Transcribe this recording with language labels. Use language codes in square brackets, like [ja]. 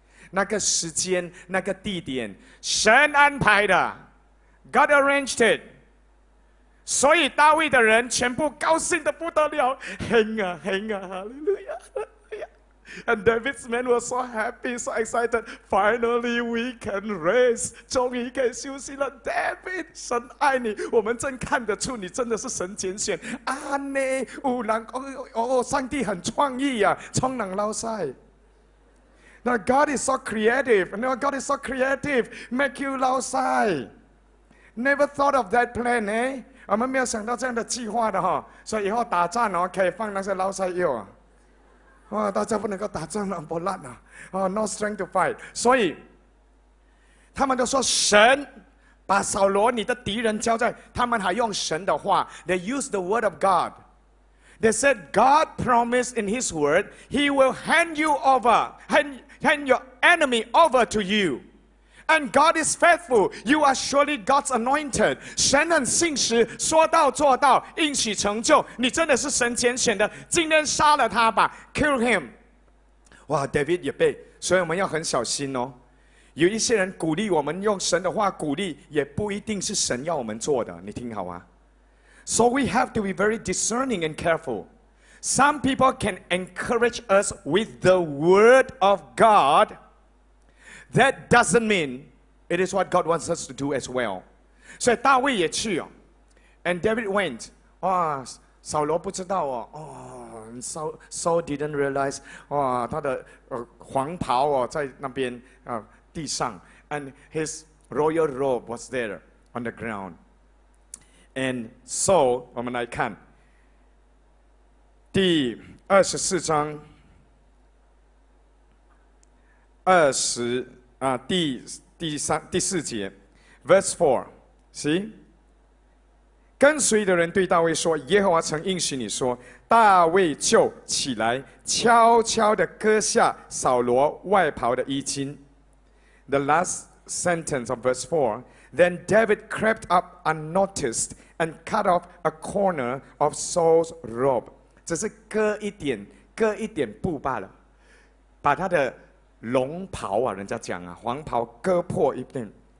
[zh] 那个时间，那个地点，神安排的 [en] ，God arranged it. [zh] 所以大卫的人全部高兴得不得了，哼啊哼啊，哈利路亚，哈利路亚。 [en] And David's men were so happy, so excited. Finally, we can rest. [zh] 终于可以休息了。 David, 神爱你，我们正看得出你真的是神拣选。啊呢，有人哦哦，上帝很创意啊，冲人捞晒。 [en] Now God is so creative. Now God is so creative. Make you lao sai. Never thought of that plan, eh? [zh] 我们没有想到这样的计划的哈。所以以后打仗哦，可以放那些捞晒药啊。哇，大家不能够打仗了，不烂啊。 [en] 哦 ，no strength to fight. [zh] 所以他们都说神把扫罗你的敌人交在他们，还用神的话。 [en] They use the word of God. They said God promised in His word He will hand you over. Hand your enemy over to you. And God is faithful. You are surely God's anointed. [zh] 神很信实，说到做到，应许成就。你真的是神拣选的，今天杀了他吧。 [en] Kill him. [zh] 哇 ,David 也被，所以我们要很小心哦。有一些人鼓励我们用神的话鼓励，也不一定是神要我们做的。你听好啊。 [en] So we have to be very discerning and careful. Some people can encourage us with the word of God. That doesn't mean it is what God wants us to do as well. [zh] 所以大卫也去哦 ， [en] and David went. [zh] 哇，扫罗不知道哦。 [en] 哦 ，Saul didn't realize. [zh] 哇，他的黄袍哦在那边啊地上 [en] ，and his royal robe was there on the ground. And so [zh] 我们来看。第二十四章二十啊第第三第四节 ， [en] verse four， [zh] 行。跟随的人对大卫说：“耶和华曾应许你说。” 大卫就起来，悄悄地割下扫罗外袍的衣襟。 [en] The last sentence of verse four. Then David crept up unnoticed and cut off a corner of Saul's robe. [zh] 只是割一点，割一点布罢了，把他的龙袍啊，人家讲啊，黄袍割破一点